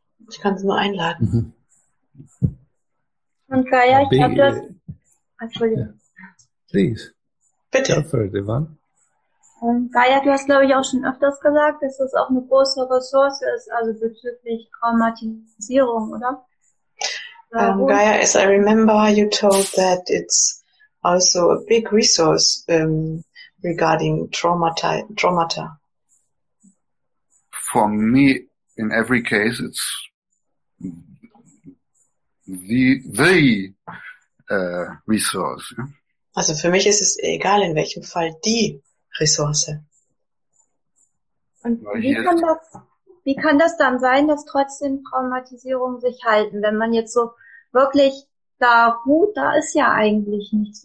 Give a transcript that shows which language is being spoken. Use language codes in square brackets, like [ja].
[de] Ich kann es nur einladen. Mm-hmm. Und Kaya, ich habe das. Entschuldigung. [en] Please. [de] Bitte. [en] Go for it, Ivan. [de] Kaya, du hast, glaube ich, auch schon öfters gesagt, dass das auch eine große Ressource ist, also bezüglich Traumatisierung, oder? [en] Kaya, as I remember, you told that it's also a big resource regarding traumata. For me, in every case, it's the resource. [de] Also für mich ist es egal, in welchem Fall die Ressource. Und wie kann das dann sein, dass trotzdem Traumatisierungen sich halten, wenn man jetzt so wirklich da ruht, da ist ja eigentlich nichts.